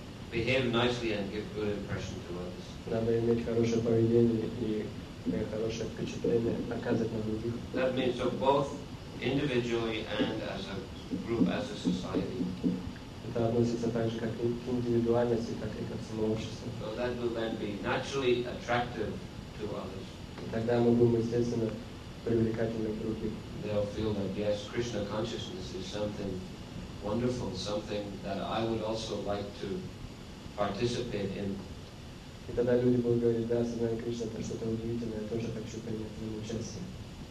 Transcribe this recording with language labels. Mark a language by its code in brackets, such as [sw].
[en] Behave nicely and give good impression to others. [ru] Надо иметь хорошее поведение и хорошее впечатление оказывать на других. [en] That means so both individually and as a group, as a society. [ru] Это относится также как и к индивидуальности, так и как к самому обществу. [en] So that will then be naturally attractive to others. [ru] И тогда мы будем естественно привлекательны к другим. [en] They'll feel that yes, Krishna consciousness is something wonderful, something that I would also like to participate in. [ru] И тогда люди будут говорить, да, сознание Кришна, это что-то удивительное, я тоже хочу принять в нем участие.